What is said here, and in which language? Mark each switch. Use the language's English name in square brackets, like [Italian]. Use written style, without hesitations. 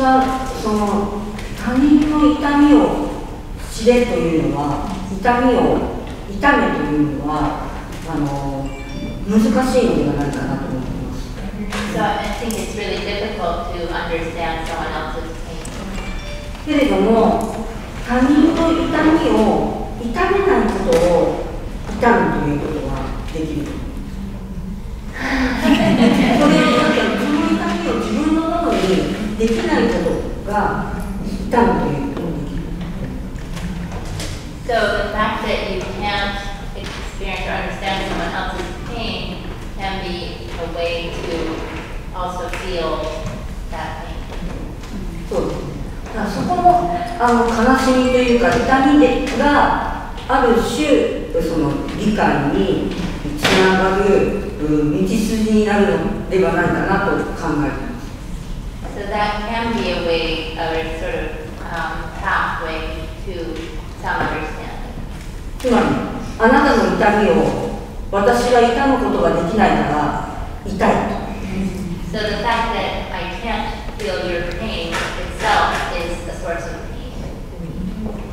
[Japanese] はその他人の痛みを知れというのは痛みを痛めというのは難しいのではないかなと思います。 [English] So I think it's really difficult to understand someone else's pain. [Japanese] けれども他人の痛みを痛めないことを痛むということができる。それはなんかその痛みを自分のものにできないことが痛むという。 [English] So the fact that you can't experience or understand someone else's pain can be a way to also feel that pain. [Japanese] そうですね。そこも悲しみというか痛みがある種その理解につながる道筋になるのではないかなと考えています。 [English] So that can be a way, a sort of pathway to some understanding [Japanese] つまり、あなたの痛みを私は痛むことができないから痛いと。 [English] So the fact that I can't feel your pain itself is a source of pain.